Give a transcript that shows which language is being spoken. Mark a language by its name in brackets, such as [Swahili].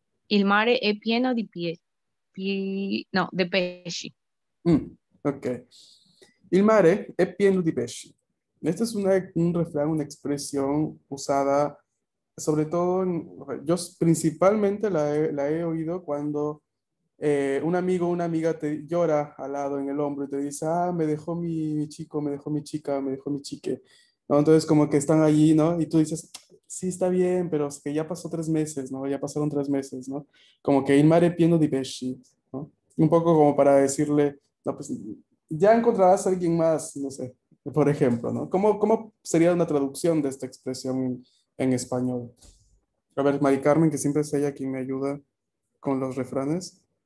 [Italian] Il mare è pieno di no, de pesci. Ok. Il mare è pieno di pesci. [Spanish] Este es un refrán, una expresión usada sobre todo, yo principalmente la he oído cuando un amigo o una amiga te llora al lado en el hombro y te dice, ah, me dejó mi chico, me dejó mi chica, me dejó mi chique. ¿No? Entonces como que están allí, ¿no? Y tú dices, sí, está bien, pero es que ya pasó 3 meses, ¿no? Ya pasaron 3 meses, ¿no? Como que [Italian] il mare è pieno di pesci, ¿no? [Spanish] Un poco como para decirle, no, pues ya encontrarás a alguien más, no sé, por ejemplo, ¿no? ¿Cómo sería una traducción de esta expresión en español? A ver, Mari Carmen, que siempre es ella quien me ayuda con los refranes.